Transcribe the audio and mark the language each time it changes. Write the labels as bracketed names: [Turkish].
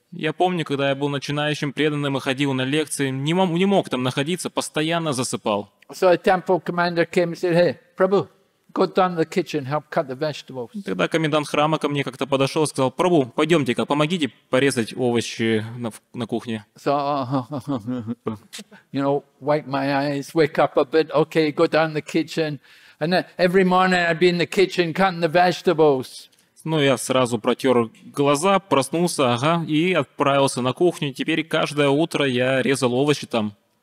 [Russian] Я помню, когда я был начинающим преданным и ходил на лекции, не мог там находиться, постоянно засыпал. [English] So a temple commander came and said, "Hey, Prabhu, go down to the kitchen, help cut the vegetables." [Russian] Тогда комендант храма ко мне как-то подошел и сказал: "Прабу, пойдемте-ка, помогите порезать овощи на кухне." [English] So, you know, wipe my eyes, wake up a bit, okay, go down to the kitchen, and then every morning I'd be in the kitchen cutting the vegetables. [Russian] Ну, я сразу протер глаза, проснулся, ага, и отправился на кухню. Теперь каждое утро я резал овощи там.